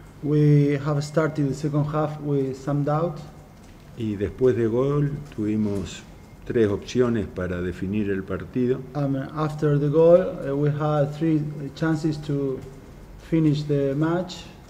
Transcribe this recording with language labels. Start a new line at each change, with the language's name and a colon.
English: We have started the second half with some doubt.
Spanish: Y después de gol tuvimos tres opciones para definir el partido.
English: After the goal, we had three chances to finish the match.